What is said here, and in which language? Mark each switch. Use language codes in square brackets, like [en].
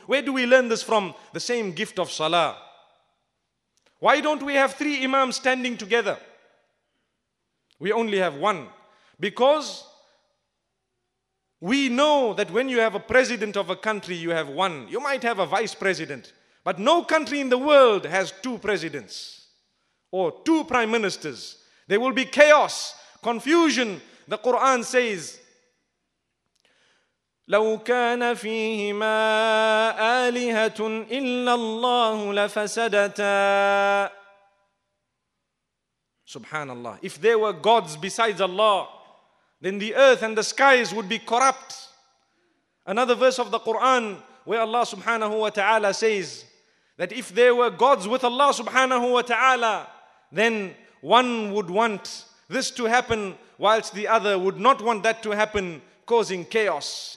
[en] Where do we learn this from? The same gift of salah. Why don't we have three imams standing together? We only have one. Because we know that when you have a president of a country, you have one. You might have a vice president, but no country in the world has two presidents or two prime ministers. There will be chaos, confusion. The Quran says, [ar] لَوْ كَانَ فِيهِمَا آلِهَةٌ إِلَّا اللَّهُ لَفَسَدَتَا. [en] Subhanallah. If there were gods besides Allah, then the earth and the skies would be corrupt. Another verse of the Quran where Allah subhanahu wa ta'ala says that if there were gods with Allah subhanahu wa ta'ala, then one would want this to happen whilst the other would not want that to happen, causing chaos.